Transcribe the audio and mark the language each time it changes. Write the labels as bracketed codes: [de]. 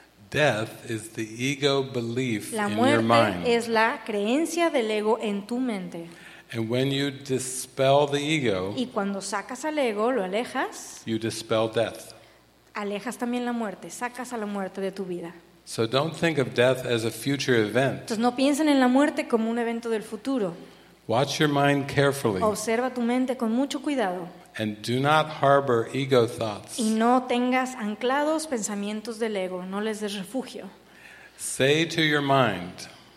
[en] Death is the ego belief in your mind. [es] La muerte es la creencia del ego en tu mente. [en] And when you dispel the ego, [es] y cuando sacas al ego, lo alejas, [en] you dispel death. [es] Alejas también la muerte, sacas a la muerte de tu vida. [en] So don't think of death as a future event. [es] Entonces no piensen en la muerte como un evento del futuro. [en] Watch your mind carefully. [es] Observa tu mente con mucho cuidado. [en] And do not harbor ego thoughts. [es] Y no tengas anclados pensamientos del ego, no les des refugio. [en] Say to your mind.